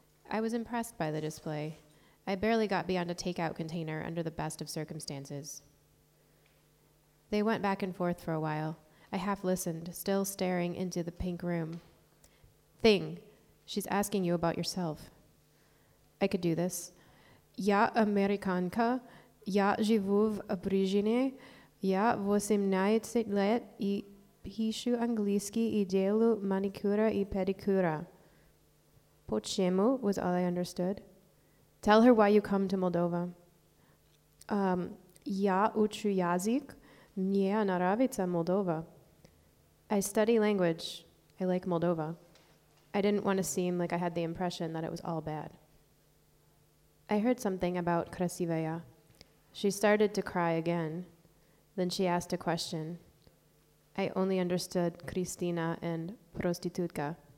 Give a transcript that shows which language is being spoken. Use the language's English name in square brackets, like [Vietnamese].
[English] I was impressed by the display. I barely got beyond a takeout container under the best of circumstances. They went back and forth for a while. I half listened, still staring into the pink room. Thing, she's asking you about yourself. I could do this. [Russian] Я американка, я живу в Брижине, я 18 лет и пишу английский и делаю маникюра и педикюра. Почему [English] was all I understood. Tell her why you come to Moldova. [Russian] Я учу язык, мне нравится Молдова. [English] I study language. I like Moldova. I didn't want to seem like I had the impression that it was all bad. I heard something about Krasivaya. She started to cry again. Then she asked a question. I only understood Christina and prostitutka.